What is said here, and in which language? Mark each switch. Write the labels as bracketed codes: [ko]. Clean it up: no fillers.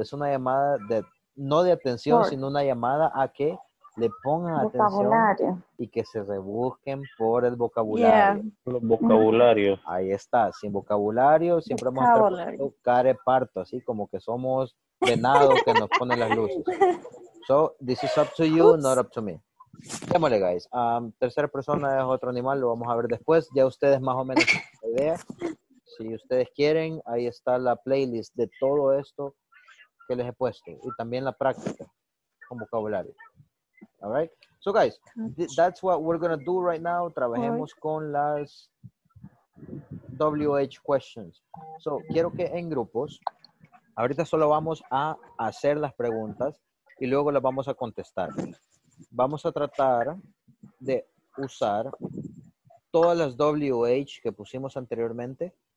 [es] Es una llamada de, no de atención, Sport. Sino una llamada a que le pongan vocabulario. Atención y que se rebusquen por el vocabulario. El vocabulario. Ahí está. Sin vocabulario, siempre vamos a estar pensando care parto, así como que somos venados que nos ponen las luces. [en] So, this is up to you, not up to me. [es] Démosle, guys. Tercera persona es otro animal, lo vamos a ver después. Ya ustedes más o menos tienen la idea. Si ustedes quieren, ahí está la playlist de todo esto que les he puesto. Y también la práctica con vocabulario. [en] All right. So guys, that's what we're going to do right now. [es] Trabajemos con las WH questions. So, quiero que en grupos, ahorita solo vamos a hacer las preguntas y luego las vamos a contestar. Vamos a tratar de usar todas las WH que pusimos anteriormente.